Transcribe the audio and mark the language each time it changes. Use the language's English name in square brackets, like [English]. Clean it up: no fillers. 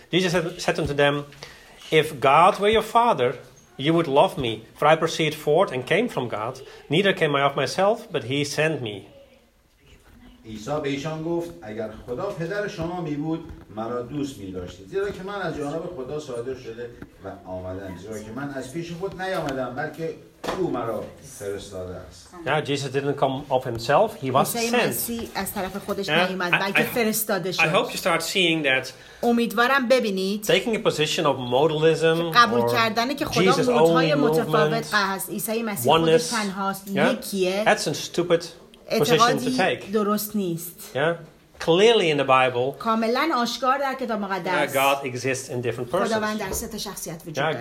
[English] Jesus said unto them, If God were your Father, you would love me, for I proceed forth and came from God. Neither came I of myself, but he sent me. [Persian] عیسی به ایشان گفت, اگر خدا پدر شما می بود, مرا دوست می داشتید. زیرا که من از جانب خدا صادر شده و آمدم. زیرا که من از پیش خود نیامدم, بلکه او مرا فرستاده است. [English] Now Jesus didn't come of himself, he was sent. [Persian] عیسی مسیح از طرف خودش نیامد, بلکه فرستاده شد. [English] I hope you start seeing that [Persian] امیدوارم ببینید [English] taking a position of modalism [Persian] قبول کردنه که خدا مدل‌های متفاوت هست. عیسی مسیح خودش تنهاست, یکیه. [English] That's a stupid position to take. [Persian] درست نیست. [English] Yeah. Clearly in the Bible, [Persian] کاملاً آشکار در کتاب مقدس. [English] Yeah, God exists in different persons. [Persian] خداوند در سه تا شخصیت وجود داره.